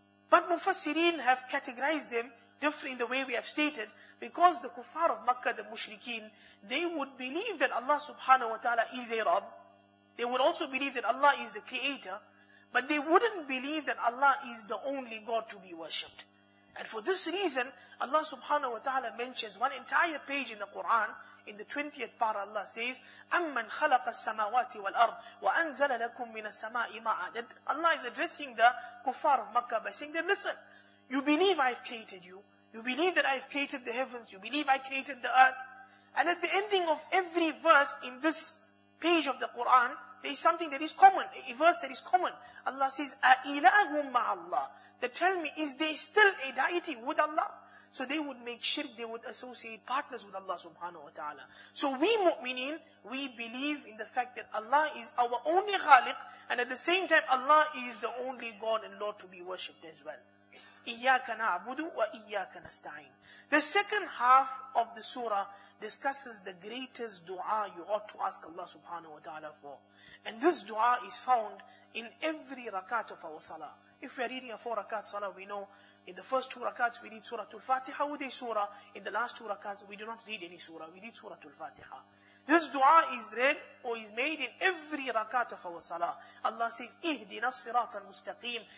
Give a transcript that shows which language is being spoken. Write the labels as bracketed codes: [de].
[en] But Mufassirin have categorized them different in the way we have stated, because the kuffar of Makkah, the mushrikeen, they would believe that Allah subhanahu wa ta'ala is a Rabb. They would also believe that Allah is the creator, but they wouldn't believe that Allah is the only God to be worshipped. And for this reason, Allah subhanahu wa ta'ala mentions one entire page in the Quran. In the 20th part, Allah says, [ar] أَمَّنْ خَلَقَ السَّمَاوَاتِ وَالْأَرْضِ وَأَنْزَلَ لَكُمْ مِنَ السَّمَاءِ مَاءً. [en] That Allah is addressing the kuffar of Makkah by saying, then listen, you believe I've created you. You believe that I've created the heavens. You believe I created the earth. And at the ending of every verse in this page of the Quran, there is something that is common, a verse that is common. Allah says, [ar] أَإِلَاهُمْ مَعَ اللَّهِ. [en] That tell me, is there still a deity with Allah? So they would make shirk, they would associate partners with Allah subhanahu wa ta'ala. So we mu'mineen, we believe in the fact that Allah is our only khaliq, and at the same time Allah is the only God and Lord to be worshipped as well. [ar] إِيَّاكَ نَعْبُدُ وَإِيَّاكَ نَسْتَعِينَ. [en] The second half of the surah discusses the greatest dua you ought to ask Allah subhanahu wa ta'ala for. And this dua is found in every rakat of our salah. If we are reading a 4 rakat salah, we know, in the first 2 rakats, we read Surah Al-Fatiha with a surah. In the last 2 rakats, we do not read any surah. We read Surah Al-Fatiha. This dua is read or is made in every rakat of our salah. Allah says, [ar] اِهْدِنَا الصِّرَاطَ الْمُسْتَقِيمِ.